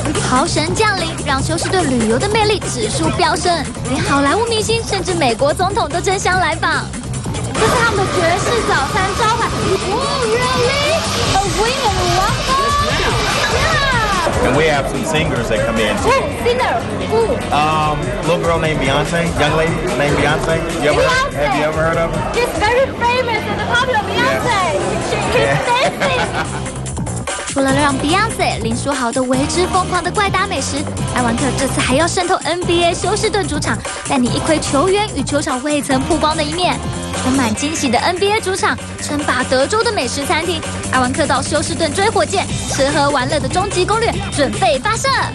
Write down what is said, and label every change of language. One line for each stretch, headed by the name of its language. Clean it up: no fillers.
Chinese: 豪神降临，让休斯顿旅游的魅力指数飙升，连好莱坞明星甚至美国总统都争相来访。这是他们的爵士早餐招牌。
English: Oh, really? A wing and waffle? Yeah. And we have some singers that come in. Hey, singer. Who? Little girl named Beyonce. Young lady named Beyonce. Have you ever heard of her? She's very famous and popular. Beyonce. Yeah. She's dancing.
Chinese: 除了让 Beyonce、林书豪都为之疯狂的怪打美食，埃文特这次还要渗透 NBA 休斯顿主场，带你一窥球员与球场未曾曝光的一面。充满惊喜的 NBA 主场，称霸德州的美食餐厅，埃文特到休斯顿追火箭，吃喝玩乐的终极攻略准备发射。